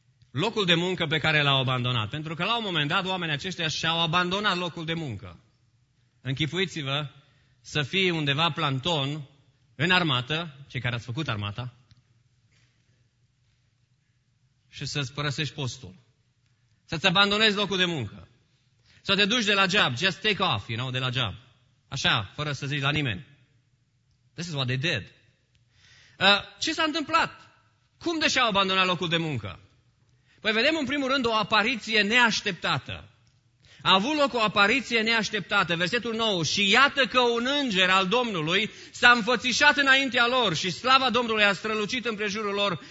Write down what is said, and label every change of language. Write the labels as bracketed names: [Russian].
[Romanian] Locul de muncă pe care l-au abandonat. Pentru că la un moment dat oamenii aceștia și-au abandonat locul de muncă. Închipuiți-vă să fii undeva planton în armată, cei care ați făcut armata, și să-ți părăsești postul. Să-ți abandonezi locul de muncă. Să te duci de la job, [English] just take off, you know, [Romanian] de la job. Așa, fără să zici la nimeni. [English] This is what they did. [Romanian] Ce s-a întâmplat? Cum de și-au abandonat locul de muncă? Păi vedem în primul rând o apariție neașteptată. A avut loc o apariție neașteptată, versetul 9. Și iată că un înger al Domnului s-a înfățișat înaintea lor și slava Domnului a strălucit împrejurul lor.